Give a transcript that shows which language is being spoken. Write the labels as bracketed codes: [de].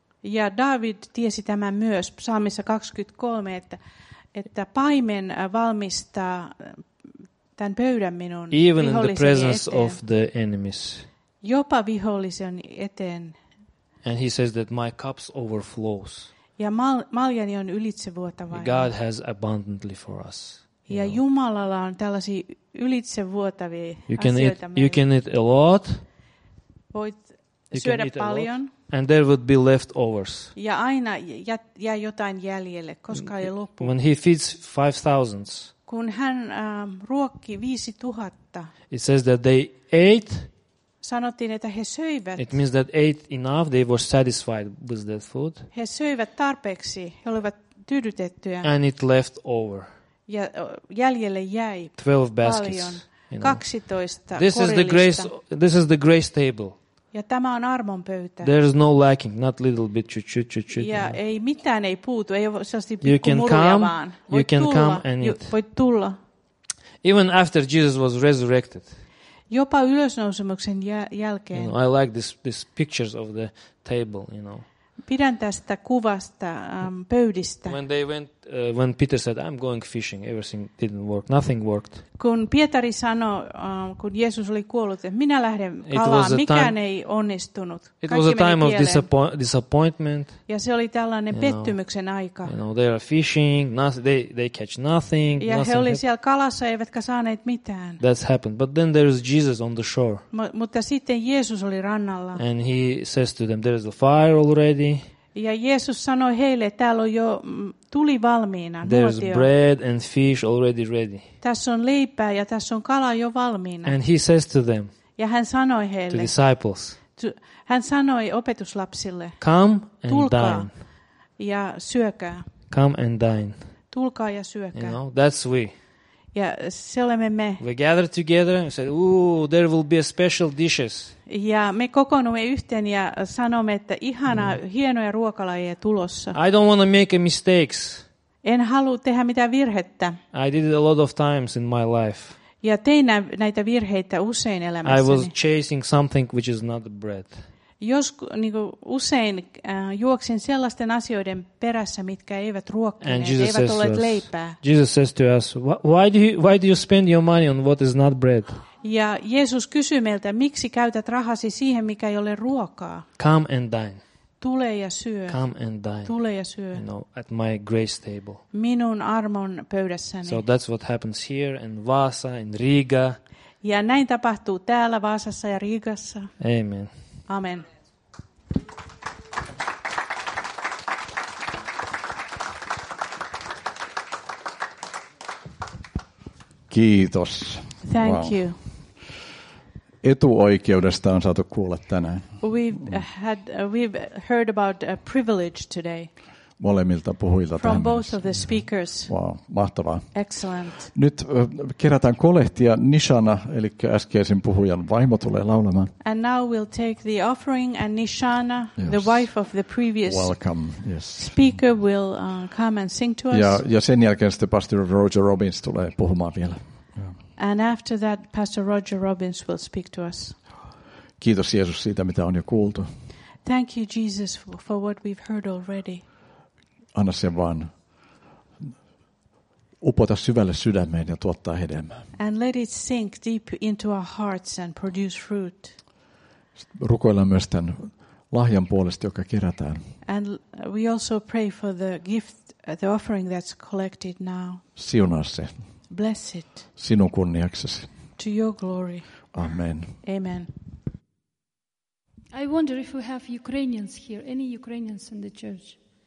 [fi] Ja David tiesi tämän myös psalmissa 23, että paimen valmistaa tämän pöydän minun [en] even in the presence of the enemies. [fi] Jopa vihollisen eteen. [en] And he says that my cups overflows. [fi] Ja maljani on ylitsevuotavainen. [en] God has abundantly for us. [fi] Ja Jumalalla on tällaisia ylitsevuotavia asioita. [en] You can eat a lot. [fi] Voit syödä paljon. [en] And there would be leftovers. [fi] Ja aina jää jotain jäljelle, koska ei loppu. [en] When he feeds 5,000. [fi] kun hän ruokki 5000. [en] It says that they ate. [fi] Sanottiin, että he söivät. [en] It means that ate enough, they were satisfied with that food. [fi] He söivät tarpeeksi, he olivat tyydytettyjä. [en] And it left over. [fi] Ja jäljelle jäi [en] 12 baskets. [fi] Paljon. 12 [en] this [fi] korillista. [en] This is the grace table. [fi] Ja tämä on armon pöytä. [en] There is no lacking, not little bit. Chut. [fi] Ja no. Ei mitään ei puutu, ei ole sellaista pikku murja vaan. [en] You can come and eat. [fi] Voit tulla. [en] Even after Jesus was resurrected. [fi] Jopa ylösnousemuksen jälkeen. [en] You know, I like this pictures of the table, you know. [fi] Pidän tästä kuvasta pöydistä. [en] When they went, when Peter said, "I'm going fishing," everything didn't work. Nothing worked. [fi] Kun Pietari sanoi, kun Jeesus oli kuollut, että minä lähden kalaan, mikään ei onnistunut. Kaikki [en] it was a time of disappointment. [fi] Ja se oli tällainen pettymyksen aika. [en] You know, they are fishing, they catch nothing. [fi] Ja he olivat siellä kalassa eivätkä saaneet mitään. [en] That's happened, but then there is Jesus on the shore. [fi] Mutta sitten Jeesus oli rannalla. [en] And he says to them, "There is a fire already." [fi] Ja Jeesus sanoi heille, täällä on jo tuli valmiina. [en] There's bread and fish already ready. [fi] Tässä on leipää ja tässä on kala jo valmiina. [en] And he says to them. [fi] Ja hän sanoi heille. [en] To disciples. [fi] Hän sanoi opetuslapsille. [en] Come and dine. [fi] Ja syökää. [en] Come and dine. [fi] Tulkaa ja syökää. [en] You know, that's we. [fi] Ja se olemme me. [en] We gather together and say, "Ooh, there will be a special dishes." [fi] Ja me kokoonnumme yhteen ja sanomme, että ihana, hienoja ruokalajeja tulossa. [en] I don't want to make mistakes. [fi] En halua tehdä mitään virhettä. [en] I did it a lot of times in my life. [fi] Ja tein näitä virheitä usein elämässäni. [en] I was chasing something which is not bread. [fi] Jos niin kuin usein juoksin sellaisten asioiden perässä, mitkä eivät ruokkineet, eivät olleet leipää. [en] Jesus says to us, why do you spend your money on what is not bread? [fi] Ja Jeesus kysyy meiltä, miksi käytät rahasi siihen, mikä ei ole ruokaa? [en] Come and dine. [fi] Tule ja syö. [en] Come and dine. [fi] Tule ja syö. [en] You know, at my grace table. [fi] Minun armon pöydässäni. [en] So that's what happens here in Vaasa, in Riga. [fi] Ja näin tapahtuu täällä Vaasassa ja Riigassa. [en] Amen. [fi] Amen. Kiitos. [en] Thank you. [fi] Etuoikeudesta on saatu kuulla tänään. [en] We've heard about a privilege today. [fi] Molemmilta puhujilta [en] from [fi] tänään. [en] Both of the speakers. [fi] Wow, mahtavaa. [en] Excellent. [fi] Nyt kerätään kolehtia. Nishana, eli äskeisen puhujan vaimo, tulee laulamaan. [en] And now we'll take the offering and Nishana, yes. The wife of the previous welcome, yes. Speaker will come and sing to us. [fi] Ja sen jälkeen sitten Pastor Roger Robbins tulee puhumaan vielä. [en] And after that, Pastor Roger Robbins will speak to us. [fi] Kiitos Jeesus siitä, mitä on jo kuultu. [en] Thank you, Jesus, for what we've heard already. [fi] Anna sen vaan upota syvälle sydämeen ja tuottaa hedelmää. [en] And let it sink deep into our hearts and produce fruit. [fi] Rukoillaan myös tämän lahjan puolesta, joka kerätään. [en] And we also pray for the gift, the offering that's collected now. [fi] Siunaa se. [en] Bless it. [fi] Sinun kunniaksesi. [en] To your glory. [fi] Amen. [en] Amen. I wonder if we have Ukrainians here, any Ukrainians in the church?